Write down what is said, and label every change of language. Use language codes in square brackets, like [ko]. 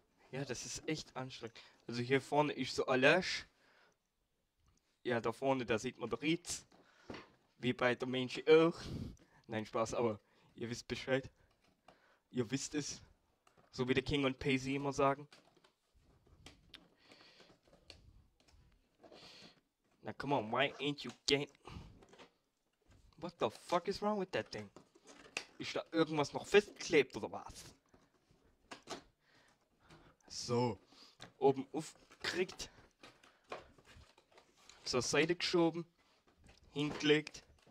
[de] Ja, das ist echt anstrengend. Also hier vorne ist so Alash. Ja, da vorne, da sieht man bereits. Wie bei der Mensch auch. Nein, Spaß, aber ihr wisst Bescheid. Ihr wisst es. So wie der King und Paisy immer sagen. [en] Na, come on, why ain't you game? What the fuck is wrong with that thing? [de] Ist da irgendwas noch festgeklebt oder was? So. Oben aufgekriegt. Zur Seite geschoben. Hingelegt.